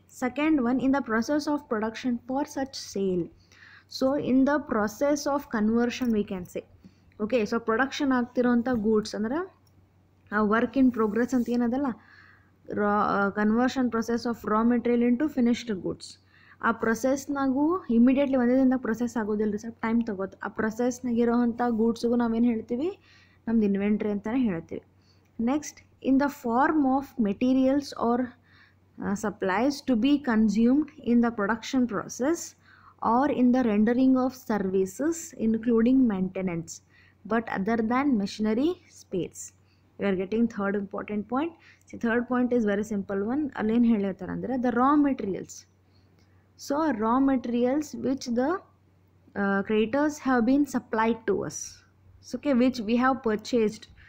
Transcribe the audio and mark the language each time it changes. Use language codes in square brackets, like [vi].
[en] Second one, in the process of production for such sale. So in the process of conversion, we can say, okay, so production [kn] aagthironta goods andre work in progress anti enadalla [en] conversion process of raw material into finished goods. [kn] ಆ ಪ್ರೊಸೆಸ್ನಾಗೂ immediately ಒಂದೇ ದಿನದಾಗ process ಆಗೋದಿಲ್ಲ ರೀ, ಸ್ವಲ್ಪ time ತೊಗೋದು. ಆ ಪ್ರೊಸೆಸ್ನಾಗಿರೋವಂಥ ಗೂಡ್ಸ್ಗೂ ನಾವೇನು ಹೇಳ್ತೀವಿ, ನಮ್ದು ಇನ್ವೆಂಟ್ರಿ ಅಂತಲೇ ಹೇಳ್ತೀವಿ. [en] Next, in the form of materials or supplies to be consumed in the production process or in the rendering of services including maintenance but other than machinery space. We are getting third important point. C, third point is very simple one. [kn] ಅಲ್ಲೇನು ಹೇಳಿರ್ತಾರೆ ಅಂದರೆ the raw materials. [en] So raw materials which the creditors have been supplied to us. So okay, which we have purchased.